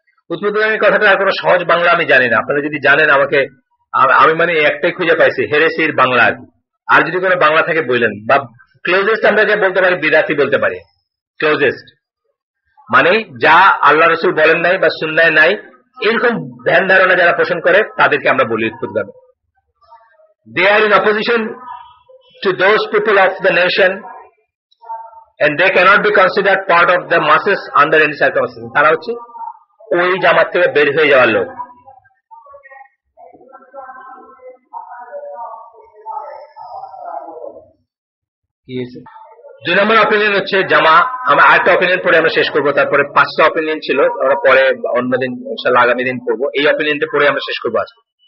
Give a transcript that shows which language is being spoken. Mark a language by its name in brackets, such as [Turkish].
[Bangla] উৎপতগামী কথাটা আর কোনো সহজ বাংলা আমি জানি না, আপনারা যদি জানেন আমাকে, আমি মানে একটাই খুঁজে পাইছি হেরেসির বাংলা আর কি, আর যদি কোনো বাংলা থেকে বললেন, বা ক্লোজেস্ট আমরা যা বলতে পারি বিদাতি বলতে পারি, ক্লোজেস্ট মানে যা আল্লাহ রাসূল বলেন নাই বা সুন্নায় নাই, এরকম ধ্যান ধারণা যারা পোষণ করে তাদেরকে আমরা বলি উৎপতগামী। [English] They are in opposition to those people of the nation and they cannot be considered part of the masses under any circumstances. [Bangla] তারা হচ্ছে ওই জামাত থেকে বের হয়ে যাওয়ার লোক। দুই নম্বর অপিনিয়ন হচ্ছে জামা, আমরা আরেকটা অপিনিয়ন পরে আমরা শেষ করবো, তারপরে পাঁচটা অপিনিয়ন ছিল আমরা পরে অন্যদিন ইনশাল্লাহ আগামী দিন পড়বো, এই অপিনিয়নটা পরে আমরা শেষ করবো আজকে।